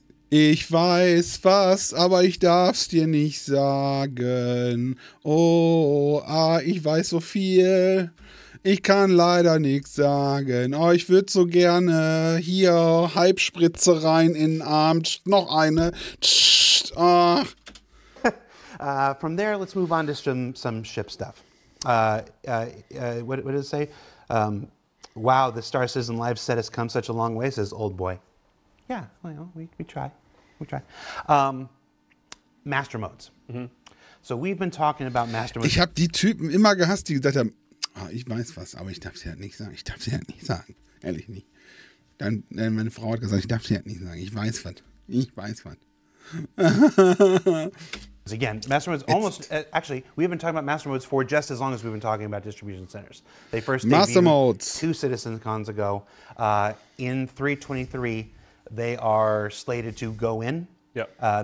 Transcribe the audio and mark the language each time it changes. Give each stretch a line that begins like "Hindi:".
German: Ich weiß was, aber ich darf's dir nicht sagen. Ich weiß so viel. Ich kann leider nichts sagen. Oh, ich würde so gerne hier Halbspritze rein in den Arm. Noch eine.
English: From there, let's move on to some ship stuff. What did it say? Wow, the Star Citizen Live set has come such a long way, says Old Boy. Yeah, well, we try. Master Modes. Mm-hmm. So we've been talking about Master Modes.
German: Ich habe die Typen immer gehasst, die gesagt haben, ich weiß was, aber ich darf es ja nicht sagen. Ehrlich nicht. Dann meine Frau hat gesagt, ich darf es ja nicht sagen. Ich weiß was.
English: Again, masterminds almost actually we have been talking about masterminds for just as long as we've been talking about distribution centers. They first debuted two citizen cons ago. In 323, they are slated to go in. Yep.